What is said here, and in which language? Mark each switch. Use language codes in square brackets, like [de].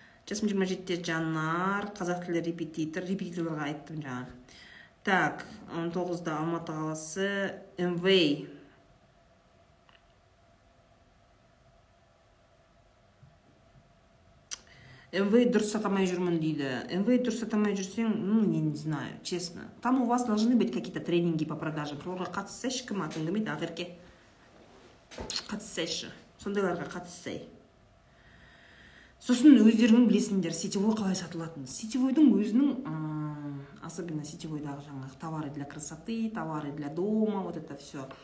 [kk] Жасым 27-те жанар, қазақ тілі репетитор, репетиторларға айттым жаңа. Так, 19-да Алматы қаласы, MV. MV дұрыс сатамай жүрмін дейді. MV дұрыс сатамай жүрсең, [ru] ну, не знаю, честно. Там у вас должны быть какие-то тренинги по продажам. [kk] Оларға қатыссайшы, кім атың кім еді, ақерке. Қатыссайшы. Сондайларға қатыссай. Сосын өздерің білесіңдер, сетевой қалай сатылатын. Сетевойдың өзінің, [ru] особенно [kk] сетевойдағы жаңалық, [ru] товары для красоты, товары для дома, вот это все.